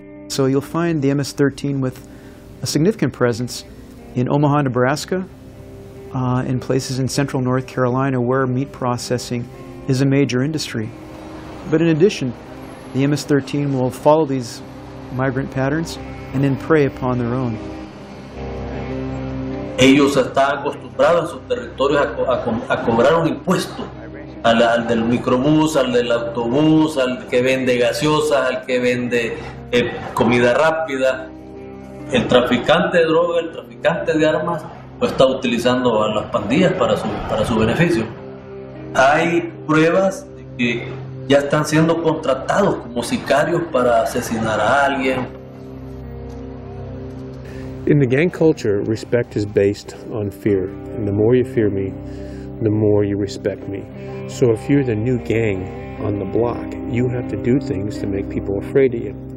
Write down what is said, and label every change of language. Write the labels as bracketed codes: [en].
[en] So you'll find the MS-13 with a significant presence in Omaha, Nebraska, and places in central North Carolina where meat processing is a major industry. But in addition, the MS-13 will follow these migrant patterns and then prey upon their own. [es] Ellos están acostumbrados en sus territorios a cobrar un impuesto. Al del microbús, al del autobús, al que vende gaseosas, al que vende comida rápida. El traficante de droga, el traficante de armas, lo está utilizando a las pandillas para su beneficio. Hay pruebas de que ya están siendo contratados como sicarios para asesinar a alguien. [en] In the gang culture, respect is based on fear. And the more you fear me, the more you respect me. So if you're the new gang on the block, you have to do things to make people afraid of you.